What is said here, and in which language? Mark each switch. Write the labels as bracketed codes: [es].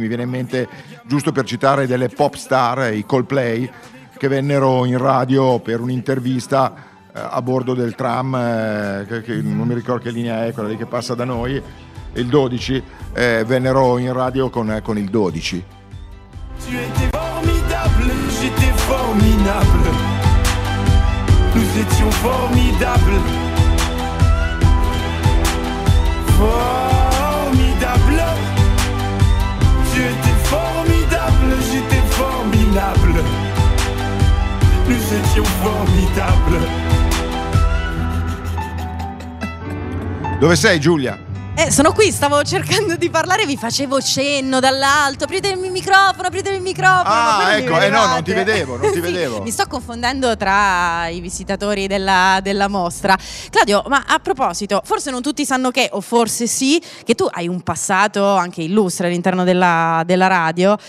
[it] Mi viene in mente, giusto per citare delle pop star, i Coldplay, che vennero in radio per un'intervista a bordo del tram, che non mi ricordo che linea è, quella lì che passa da noi, il 12, vennero in radio con il 12. [fr] Tu étais formidable, j'étais formidable. Nous étions formidable. Formidable. Tu étais formidable, j'étais formidable. Nous étions formidable. [it] Dove sei, Giulia? Sono qui, stavo cercando di parlare, vi facevo cenno dall'alto. Apritemi il microfono. Ah, ecco, non ti vedevo. Mi sto confondendo tra i visitatori della mostra. Claudio, ma a proposito, forse non tutti sanno che, o forse sì, che tu hai un passato anche illustre all'interno della radio.